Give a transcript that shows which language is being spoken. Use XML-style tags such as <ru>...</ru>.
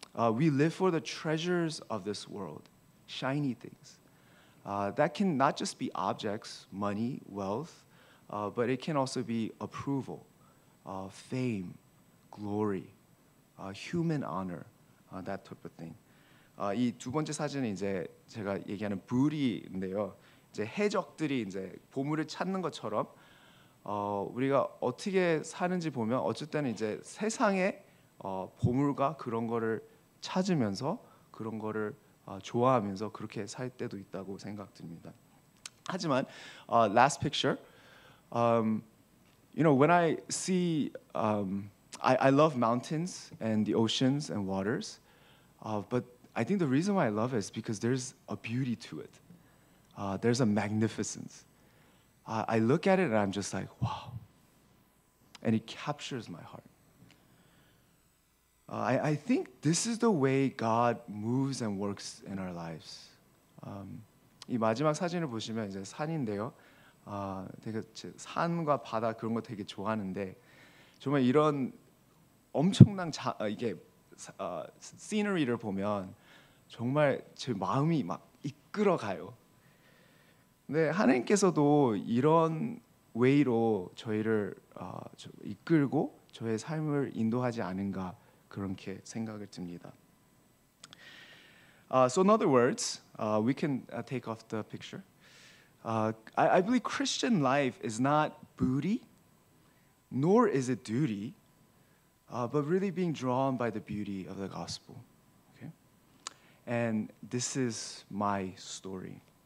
<en>We live for the treasures of this world, shiny things. That can not just be objects, money, wealth, but it can also be approval, fame, glory, human honor, that type of thing.</en> <ko>이 두 번째 사진은 이제 제가 얘기하는 부리인데요. 이제 해적들이 이제 보물을 찾는 것처럼 우리가 어떻게 사는지 보면 어쨌든 이제 세상의 보물과 그런 거를 찾으면서 그런 거를 좋아하면서 그렇게 살 때도 있다고 생각됩니다. 하지만</ko> <en>last picture, you know, when I see, I love mountains and the oceans and waters, but I think the reason why I love it is because there's a beauty to it. There's a magnificence. I look at it and I'm just like, wow. And it captures my heart. I think this is the way God moves and works in our lives.</en> <ko>이 마지막 사진을 보시면 이제 산인데요. 되게 산과 바다 그런 거 되게 좋아하는데 정말 이런 엄청난 이게 scenery를 보면 정말 제 마음이 막 이끌어가요. 근데 하나님께서도 이런 way로 저희를 이끌고 저의 삶을 인도하지 않은가 그렇게 생각을 듭니다.</ko> <en>So in other words, we can take off the picture. I believe Christian life is not booty, nor is it duty, but really being drawn by the beauty of the gospel. Okay? And this is my story.</en>